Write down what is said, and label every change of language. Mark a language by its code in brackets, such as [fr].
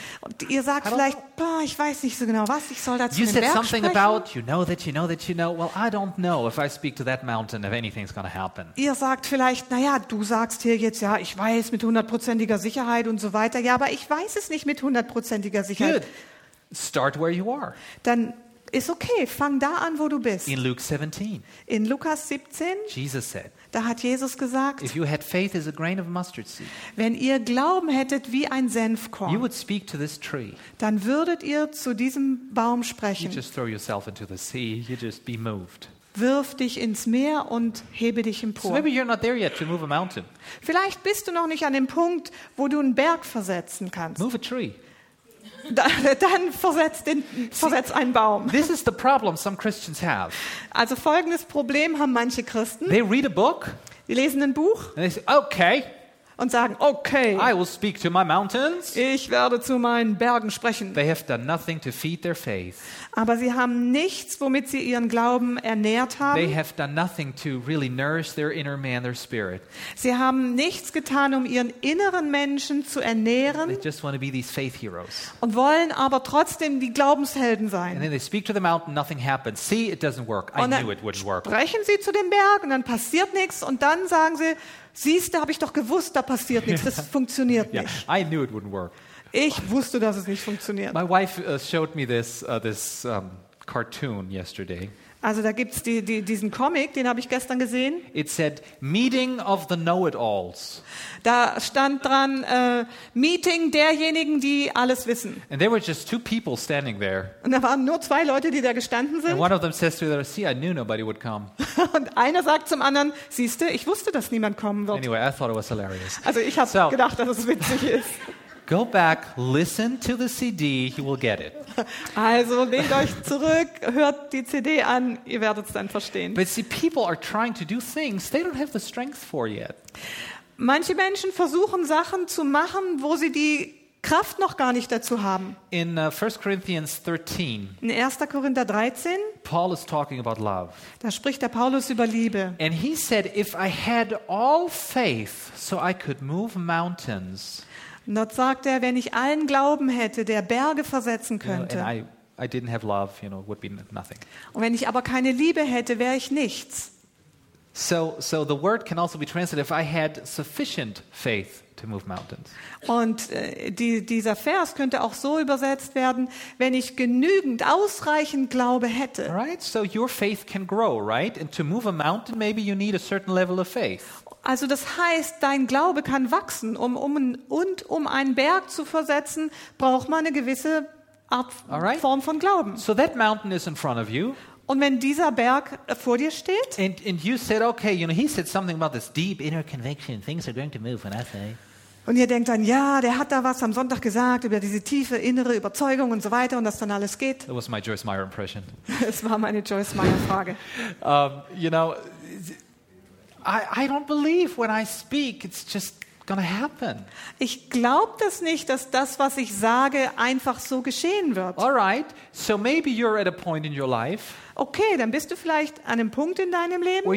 [de] Und ihr sagt vielleicht, boah, ich weiß nicht so genau, was ich soll dazu sagen. [en] You said something about, you know that you know that you know. Well, I don't know if I speak to that mountain if anything's going to happen. [de] Ihr sagt vielleicht, naja, du sagst hier jetzt, ja, ich weiß mit hundertprozentiger Sicherheit und so weiter. Ja, aber ich weiß es nicht mit hundertprozentiger Sicherheit. [en] Good. Start where you are. [de] Dann ist okay, fang da an, wo du bist. [en] In Luke 17. [de] In Lukas 17. [en] Jesus said. [de] Da hat Jesus gesagt, [en] if you had faith as a grain of mustard seed, [de] wenn ihr Glauben hättet wie ein Senfkorn, [en] you would speak to this tree. [de] Dann würdet ihr zu diesem Baum sprechen. [en] You just throw yourself into the sea, you just be moved. [de] Wirf dich ins Meer und hebe dich empor. [en] So maybe you're not there yet to move a mountain. [de] Vielleicht bist du noch nicht an dem Punkt, wo du einen Berg versetzen kannst. [en] Move a tree. [de] Dann versetz einen Baum. [en] This is the problem some Christians have. [de] Also folgendes Problem haben manche Christen. [en] They read a book. [de] Die lesen ein Buch. [en] And they say, okay. [de] Und sagen, okay. [en] I will speak to my mountains. [de] Ich werde zu meinen Bergen sprechen. [en] They have done nothing to feed their faith. [de] Aber sie haben nichts, womit sie ihren Glauben ernährt haben. [en] They have done nothing to really nourish their inner man, their spirit. [de] Sie haben nichts getan, um ihren inneren Menschen zu ernähren. [en] They just want to be these faith heroes. [de] Und wollen aber trotzdem die Glaubenshelden sein. [en] And then they speak to the mountain, nothing happens. See, it doesn't work. I knew it wouldn't work. [de] Sprechen sie zu dem Berg und dann passiert nichts und dann sagen sie, siehst du, habe ich doch gewusst, da passiert nichts, das funktioniert nicht. [en] Yeah, I knew it wouldn't work. [de] Ich wusste, dass es nicht funktioniert. [en] My wife showed me this cartoon yesterday. [de] Also da gibt's diesen Comic, den habe ich gestern gesehen. [en] It said Meeting of the Know-it-alls. [de] Da stand dran Meeting derjenigen, die alles wissen. [en] And there were just two people standing there. [de] Und da waren nur zwei Leute, die da gestanden sind. [en] And one of them says to the other, "See, I knew nobody would come." [de] Und einer sagt zum anderen, siehst du, ich wusste, dass niemand kommen wird. [en] Anyway, I thought it was hilarious. [de] Also ich habe gedacht, dass es witzig ist. [en] Go back, listen to the CD, you will get it. [de] Also lehnt euch zurück, hört die CD an, ihr werdet es dann verstehen. [en] But see, people are trying to do things they don't have the strength for yet. [de] Manche Menschen versuchen Sachen zu machen, wo sie die Kraft noch gar nicht dazu haben. [en] In 1. Corinthians 13. [de] In 1. Korinther 13. [en] Paul is talking about love. [de] Da spricht der Paulus über Liebe. [en] And he said, if I had all faith, so I could move mountains. [de] Und dort sagt er, wenn ich allen Glauben hätte, der Berge versetzen könnte. [en] You know, I didn't have love, you know, would be nothing. [de] Und wenn ich aber keine Liebe hätte, wäre ich nichts. [en] So the word can also be translated if I had sufficient faith to move mountains. [de] Und dieser Vers könnte auch so übersetzt werden, wenn ich genügend ausreichend Glaube hätte. [en] Right, so your faith can grow, right? And to move a mountain maybe you need a certain level of faith. [de] Also das heißt, dein Glaube kann wachsen, um einen Berg zu versetzen, braucht man eine gewisse Art, right. Form von Glauben. [en] So that mountain is in front of you. [de] Und wenn dieser Berg vor dir steht? [en] And you said okay, you know, he said something about this deep inner conviction, things are going to move when I say. [de] Und ihr denkt dann, ja, der hat da was am Sonntag gesagt über diese tiefe innere Überzeugung und so weiter und dass dann alles geht. [en] That was my Joyce Meyer impression. [de] Es war meine Joyce Meyer Frage. [en] You know, I don't believe when I speak it's just gonna happen. [de] Ich glaube das nicht, dass das, was ich sage, einfach so geschehen wird. [en] All right, so maybe you're at a point in your life. [de] Okay, dann bist du vielleicht an einem Punkt in deinem Leben,